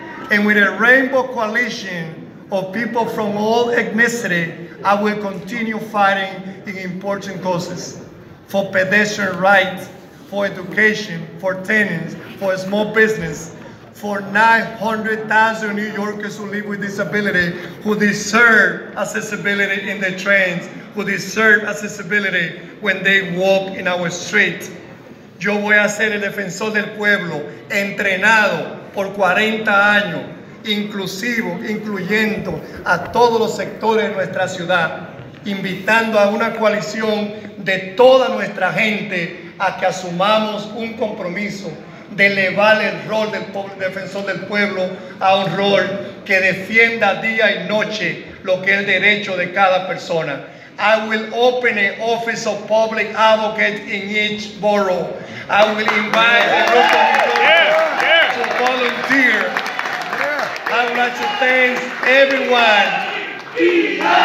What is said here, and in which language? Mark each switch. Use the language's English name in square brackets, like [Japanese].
[English] And with a rainbow coalition of people from all ethnicity, I will continue fighting in important causes for pedestrian rights, for education, for tenants, for small business, for 900,000 New Yorkers who live with disability, who deserve accessibility in the trains, who deserve accessibility when they walk in our street. [Spanish] Yo voy a ser el defensor del pueblo, entrenado por 40 años, inclusivo, incluyendo a todos los sectores de nuestra ciudad, invitando a una coalición de toda nuestra gente a que asumamos un compromiso de elevar el rol del pobre defensor del pueblo a un rol que defienda día y noche lo que es el derecho de cada persona. [English] I will open an office of public advocate in each borough. I will invite a group of people to volunteer. I would like to thank everyone.